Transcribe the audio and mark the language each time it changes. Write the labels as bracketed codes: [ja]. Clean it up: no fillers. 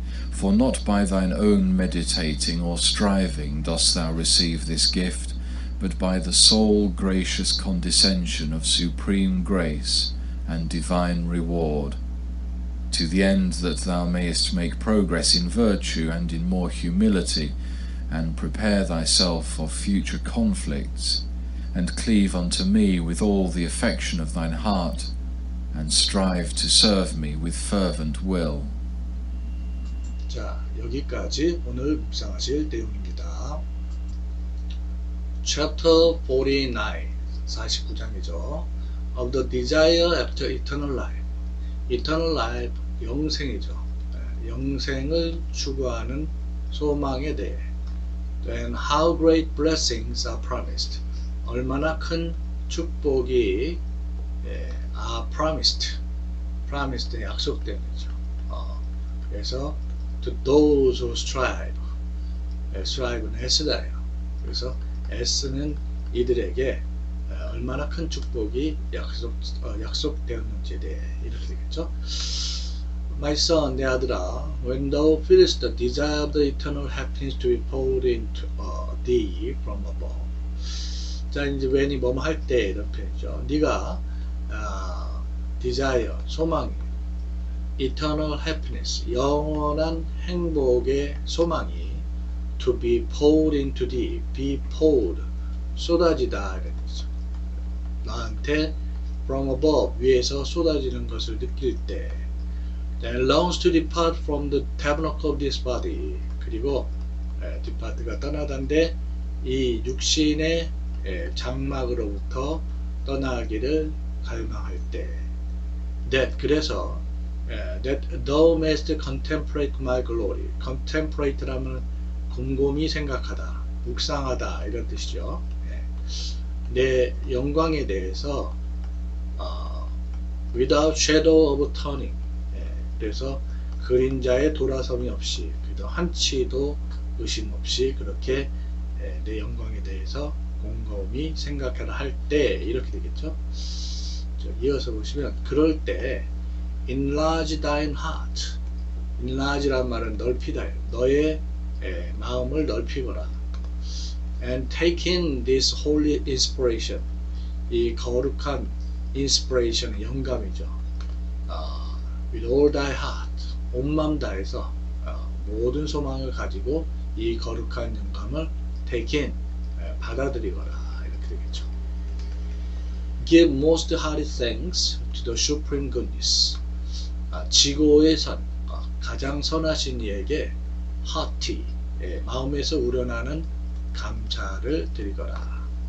[en] For not by thine own meditating or striving dost thou receive this gift, but by the sole gracious condescension of supreme grace and divine reward, to the end that thou mayest make progress in virtue and in more humility, and prepare thyself for future conflicts, and cleave unto me with all the affection of thine heart, and strive to serve me with fervent will. [ko] 자, 여기까지 오늘 묵상하실 내용입니다. [en] Chapter 49, [ko] 49장이죠. [en] Of the desire after eternal life. Eternal life, [ko] 영생이죠. 영생을 추구하는 소망에 대해. [en] Then how great blessings are promised. [ko] 얼마나 큰 축복이 [en] are promised. [ko] Promised, 약속된 거죠. [en] 그래서 To those who strive, strive는 [ko] 애쓰다예요. 그래서 애쓰는 이들에게 얼마나 큰 축복이 약속되었는지에 대해 이렇게 되겠죠. [en] My son, [ko] 내 아들아, [en] when thou feelest the desire of the eternal happiness to be poured into thee from above. [ko] 자, 이제 when이 뭐뭐 할 때 이렇게 되죠. [en] 네가 desire, 소망이 Eternal happiness, [ko] 영원한 행복의 소망이 [en] to be poured into thee, be poured, [ko] 쏟아지다. 이랬죠. [en] 나한테 from above, [ko] 위에서 쏟아지는 것을 느낄 때 [en] then longs to depart from the tabernacle of this body. [ko] 그리고 depart가 떠나던데 이 육신의 장막으로부터 떠나기를 갈망할 때 that 그래서 [en] that thou mayest contemplate my glory. [ko] contemplate라면 곰곰이 생각하다, 묵상하다 이런 뜻이죠. 네. 내 영광에 대해서 [en] without shadow of turning. [ko] 네. 그래서 그림자의 돌아섬이 없이 그래도 한치도 의심 없이 그렇게 내 영광에 대해서 곰곰이 생각하라 할 때 이렇게 되겠죠. 이어서 보시면 그럴 때 [en] Enlarge thine heart. [ko] Enlarge란 말은 넓히다. 너의 마음을 넓히거라. [en] And taking this holy inspiration. [ko] 이 거룩한 inspiration, 영감이죠. [en] With all thy heart. [ko] 온 마음 다해서 모든 소망을 가지고 이 거룩한 영감을 taking, 받아들이거라. 이렇게 되겠죠. [en] Give most hearty thanks to the supreme goodness. [ko] 지구의 선, 가장 선하신 이에게 hearty, 마음에서 우러나는 감사를 드리거라.